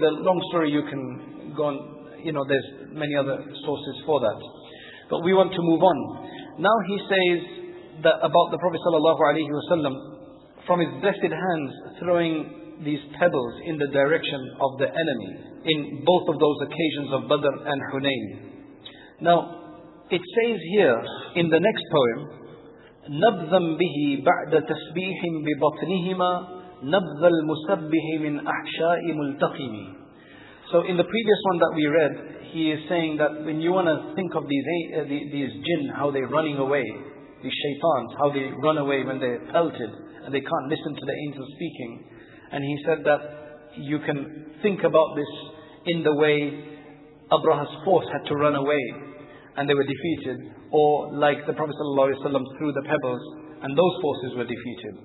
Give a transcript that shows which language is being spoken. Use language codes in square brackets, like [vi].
[en] The long story, you can go on, you know, there's many other sources for that. But we want to move on. Now he says that about the Prophet sallallahu alaihi wasallam, from his blessed hands throwing these pebbles in the direction of the enemy in both of those occasions of Badr and Hunayn. Now, it says here in the next poem, [ar] نَبْذًا بِهِ بَعْدَ تَسْبِيحٍ بِبَطْنِهِمَا نَبْذَ الْمُسَبِّهِ مِنْ أَحْشَاءِ مُلْتَقِمِ. [en] So in the previous one that we read, he is saying that when you want to think of these jinn, how they're running away, these shaitans, how they run away when they're pelted and they can't listen to the angel speaking. And he said that you can think about this in the way Abraha's force had to run away and they were defeated, or like the Prophet ﷺ threw the pebbles and those forces were defeated.